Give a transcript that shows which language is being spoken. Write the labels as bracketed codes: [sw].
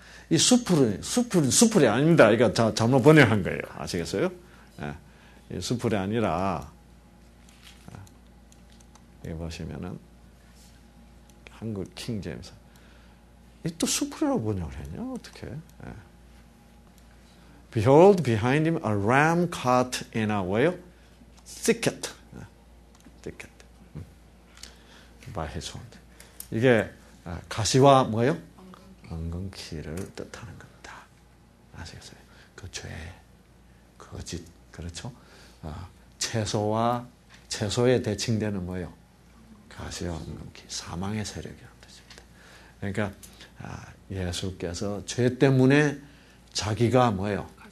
[ko] 이 수풀이 아닙니다. 이거 잘못 번역한 거예요. 아시겠어요? 이 수풀이 아니라 여기 보시면은 한국 킹제임스 이 또 수풀이라고 번역을 했냐 어떻게? [en] Behold, behind him a ram caught in a way thicket by his horn. [ko] 이게 가시와 뭐요? 엉겅퀴를 뜻하는 겁니다. 아시겠어요? 그 죄, 거짓, 그렇죠? 채소와 채소에 대칭되는 뭐예요? 가시와 엉겅퀴 사망의 세력이란 뜻입니다. 그러니까 예수께서 죄 때문에 자기가 뭐예요?